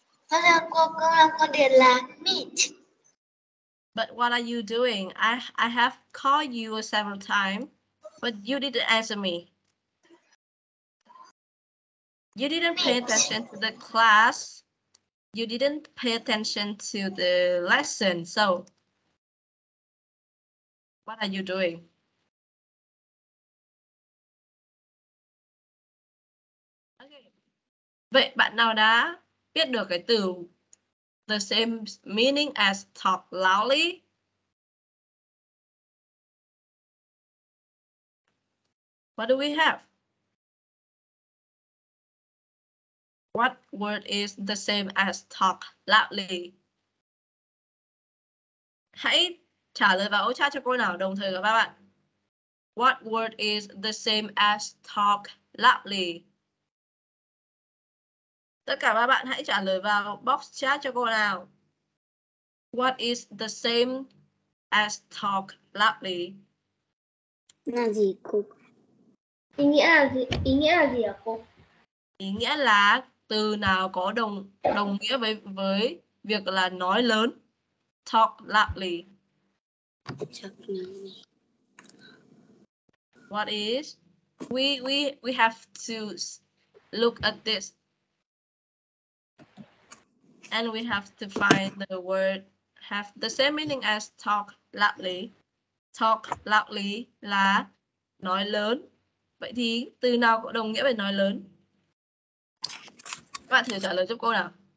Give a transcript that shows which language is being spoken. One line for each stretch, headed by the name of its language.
Vietnamese: Hello, cô đang có điện là meet.
English: But what are you doing? I have called you several times, but you didn't answer me. You didn't pay attention to the class. You didn't pay attention to the lesson. So, what are you doing? Okay.
Vietnamese: Vậy bạn nào đã biết được cái từ
English: the same meaning as talk loudly? What do we have? What word is the same as talk loudly?
Vietnamese: Hãy trả lời vào ô chat cho cô nào, đồng thời các bạn.
English: What word is the same as talk loudly?
Vietnamese: Tất cả các bạn hãy trả lời vào box chat cho cô nào.
English: What is the same as talk loudly?
Vietnamese: Là gì cô? Ý nghĩa là gì ạ cô? Ý nghĩa là từ nào có đồng nghĩa với việc là nói lớn.
English: Talk loudly. What is? We have to look at this. And we have to find the word have the same meaning as talk loudly. Talk loudly
Vietnamese: là nói lớn. Vậy thì từ nào có đồng nghĩa với nói lớn? Các bạn thử trả lời giúp cô nào.